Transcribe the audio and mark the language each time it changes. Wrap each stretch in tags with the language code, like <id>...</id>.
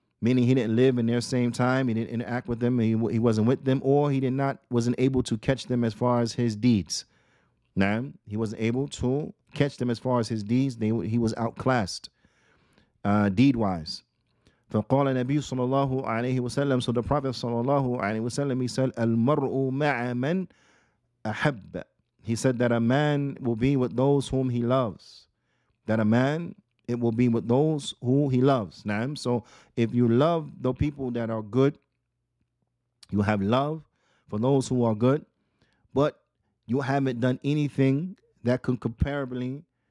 <en>Meaning he didn't live in their same time. He didn't interact with them. He wasn't with them. Or he wasn't able to catch them as far as his deeds. Now, he wasn't able to catch them as far as his deeds. He was outclassed deed-wise.</en> <ar>فَقَالَ النَّبِيُّ صَلَى اللَّهُ عَلَيْهِ وَسَلَّمْ.</ar> <en>So the Prophet</en> <ar>صَلَى اللَّهُ عَلَيْهِ وَسَلَّمْ,</ar> <en>he said,</en> <ar>الْمَرْءُ مَعَ مَنْ أَحَبَّ.</ar> <en>He said that a man will be with those whom he loves. That a man, it will be with those who he loves.</en> <ar>نعم.</ar> <en>So if you love the people that are good, you have love for those who are good, but you haven't done anything that could comparably</en>